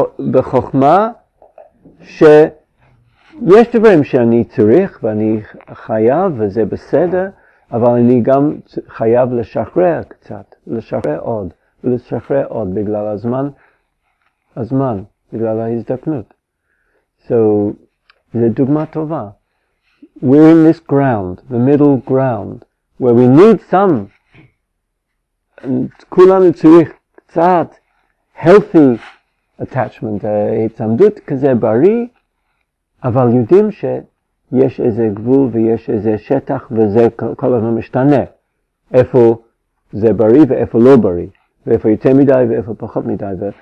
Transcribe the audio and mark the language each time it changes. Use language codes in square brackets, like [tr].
[he] בחוכמה, שיש דברים שאני צריך ואני חייב וזה בסדר, אבל אני גם חייב לשחרר קצת, לשחרר עוד בגלל הזמן, בגלל ההזדקנות. So, זה דוגמה טובה. [en] We're in this ground, the middle ground, where we need some. [he] כולנו צריך קצת [en] healthy attachment, [he] התעמדות כזה בריא, אבל יודעים שיש איזה גבול ויש איזה שטח וזה כל הזמן משתנה. איפה זה בריא ואיפה לא בריא, ואיפה יותר מדי ואיפה פחות מדי.